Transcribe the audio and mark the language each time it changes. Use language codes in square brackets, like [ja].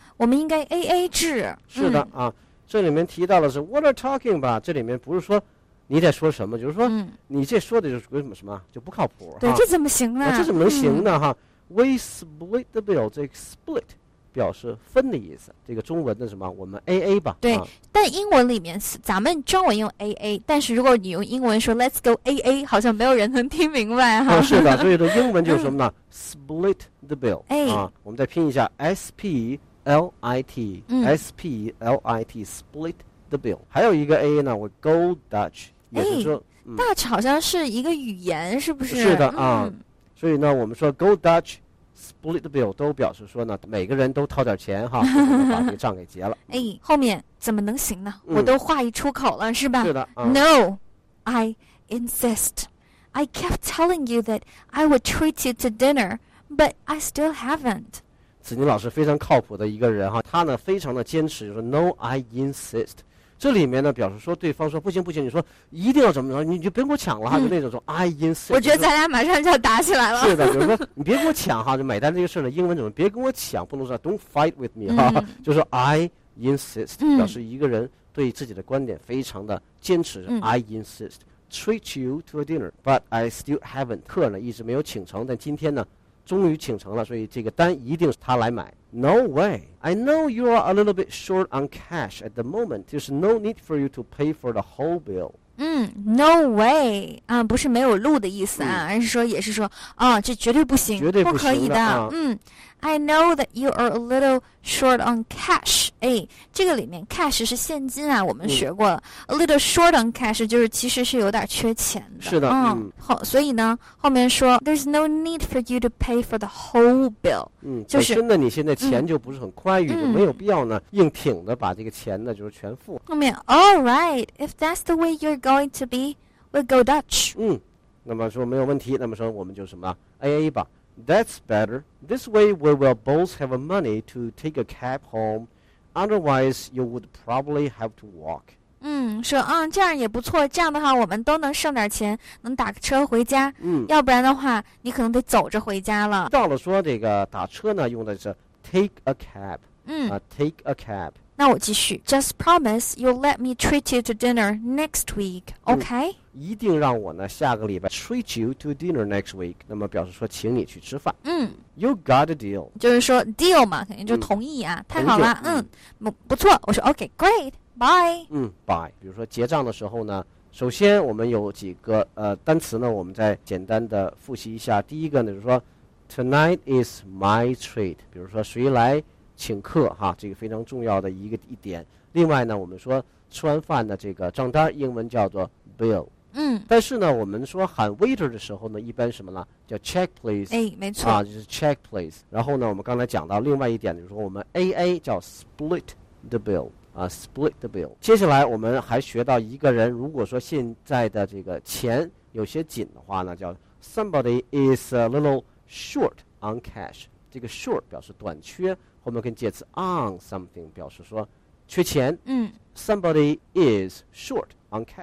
[zh] 我们应该 AA 制。是的啊，这里面提到的是 [en] What are talking about？ [zh] 这里面不是说。你在说什么？就是说，你这说的就是什么就不靠谱。对，这怎么行呢？这怎么能行呢？ [en] We split the bill， [zh] 这个 split 表示分的意思。这个中文的什么？我们 AA 吧。对，但英文里面，咱们中文用 AA， 但是如果你用英文说 [en] Let's go AA， [zh] 好像没有人能听明白哈。是的，所以的英文就是什么呢？ [en] Split the bill。 [zh] 我们再拼一下 [en] ，S P L I T， S P L I T， split。 The bill， [zh] 还有一个 A 呢，我 [en] Go Dutch， [zh] 也就是说，Dutch 好像是一个语言，是不是？是的啊，所以呢，我们说 [en] Go Dutch， split the bill [zh] 都表示说呢，每个人都掏点钱哈，把这个账给结了。后面怎么能行呢？我都话一出口了，是吧？是的。 [en] No， I insist. I kept telling you that I would treat you to dinner, but I still haven't. [zh] 子宁老师非常靠谱的一个人哈，他呢非常的坚持，就是 [en] No, I insist。 [zh] 这里面呢表示说对方说不行不行，你说一定要怎么着，你就别给我抢了哈，就那种说 [en] I insist。 [zh] 我觉得咱俩马上就要打起来了。是的，就是说你别给我抢哈，就买单这个事呢，英文怎么别跟我抢，不能说 [en] Don't fight with me [zh] 哈，就是 [en] I insist， [zh] 表示一个人对自己的观点非常的坚持。 [en] I insist treat you to a dinner, but I still haven't。 [zh] 客呢一直没有请成，但今天呢。终于请成了，所以这个单一定是他来买。 [en] No way. I know you are a little bit short on cash at the moment. There's no need for you to pay for the whole bill. No way， [zh] 啊，不是没有路的意思啊，而是说也是说，啊，这绝对不行，绝对不可以的。 [en] 嗯 ，I know that you are a little short on cash。 [zh] 哎，这个里面 cash 是现金啊，我们学过了。 [en] A little short on cash [zh] 就是其实是有点缺钱的。是的，好，所以呢，后面说 [en] there's no need for you to pay for the whole bill。 [zh] 就是真的，你现在钱就不是很宽裕，没有必要呢，硬挺的把这个钱呢就是全付。 [en] 后面 ，All right， if that's the way you're going to be, we'll go Dutch。 [zh] 那么说没有问题，那么说我们就什么 AA 吧。 [en] That's better. This way we will both have money to take a cab home. Otherwise, you would probably have to walk. [zh] 说这样也不错，这样的话我们都能剩点钱，能打个车回家。嗯，要不然的话你可能得走着回家了。到了说这个打车呢，用的是 [en] take a cab。 Take a cab。 [zh] 那我继续 [en] ，Just promise you'll let me treat you to dinner next week, OK？ [zh] 一定让我呢下个礼拜 [en] treat you to dinner next week， [zh] 那么表示说请你去吃饭。 [en] You got a deal， [zh] 就是说 deal 嘛，肯定就同意啊，太好了，不错，我说 [en] OK， great， bye。 Bye。 [zh] 比如说结账的时候呢，首先我们有几个单词呢，我们再简单的复习一下。第一个呢就是说 [en] tonight is my treat， [zh] 比如说谁来请客哈，这个非常重要的一点。另外呢，我们说吃完饭的这个账单，英文叫做 bill。但是呢，我们说喊 waiter 的时候呢，一般什么呢？ [en] 叫 check please。 [zh] 哎，没错。 [en] 就是 check please。 [zh] 然后呢，我们刚才讲到另外一点，就是说我们 AA 叫 [en] split the bill [zh] 啊 ，split the bill。接下来我们还学到一个人，如果说现在的这个钱有些紧的话呢，叫 [en] somebody is a little short on cash。 [zh] 这个 short 表示短缺。后面跟介词 [en] on something [zh] 表示说缺钱。 [en] Somebody is short on cash.